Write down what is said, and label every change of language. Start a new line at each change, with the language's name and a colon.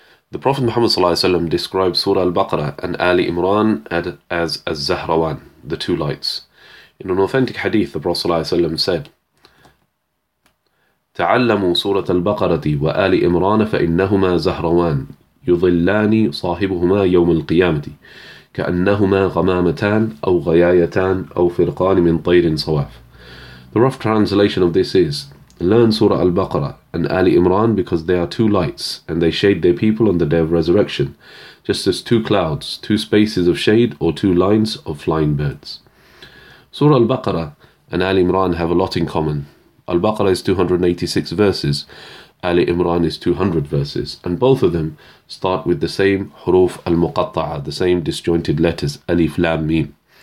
English: The Prophet Muhammad sallallahu alaihi wasallam described Surah Al-Baqarah and Āl-ʿImrān as Az-Zahrawan, the two lights. In an authentic hadith, the Prophet sallallahu alaihi wasallam said,
Arabic: تعلموا سورة البقرة وآل إمران فإنهما زهروان يظلان صاحبهما يوم القيامة كأنهما غمامتان أو غيايتان أو فرقان من طير صواف.
English: The rough translation of this is, learn Surah Al-Baqarah and Ali Imran because they are two lights and they shade their people on the day of resurrection, just as two clouds, two spaces of shade or two lines of flying birds. Surah Al-Baqarah and Ali Imran have a lot in common. Al-Baqarah is 286 verses, Ali Imran is 200 verses, and both of them start with the same huruf al-muqatta'a, the same disjointed letters, alif, lam, mim.